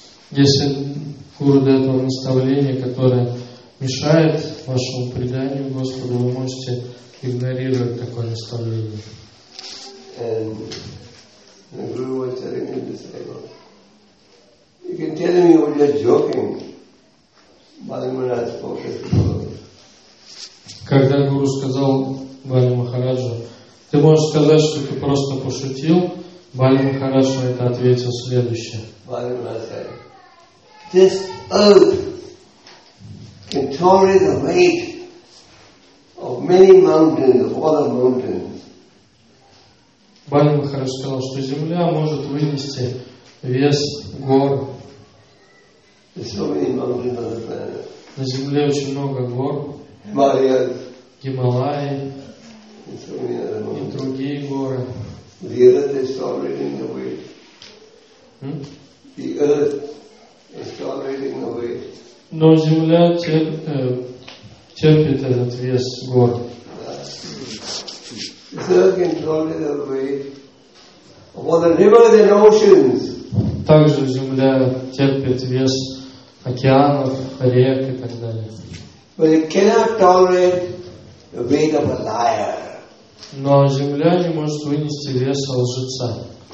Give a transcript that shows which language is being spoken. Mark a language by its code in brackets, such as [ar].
[ru] Если гуру дает вам наставление, которое мешает вашему преданию Господу, вы можете игнорировать такое наставление. [en] And the guru was telling him to say, You can tell him you were just joking. Bali Maharaj spoke as [ru] Когда Гуру сказал Бали Махараджу, ты можешь сказать, что ты просто пошутил, Бали Махарадж на это ответил следующее. [en] Бали Махарадж сказал, this earth can carry the weight of many mountains, of all the mountains. [ru] Бали Махарадж сказал, что земля может вынести вес гор. [en] There's so many mountains on the planet. [ru] На земле очень много гор. Гималаи и другие горы. [en] The earth is tolerating the weight. The earth is tolerating the weight. [ru] Но земля терпит этот вес гор. [en] The earth can tolerate the weight of all the rivers and oceans. [ru] Также земля терпит вес океанов, рек и так далее. [en] But it cannot tolerate the weight of a liar. [ru] Но земля не может вынести веса лжеца.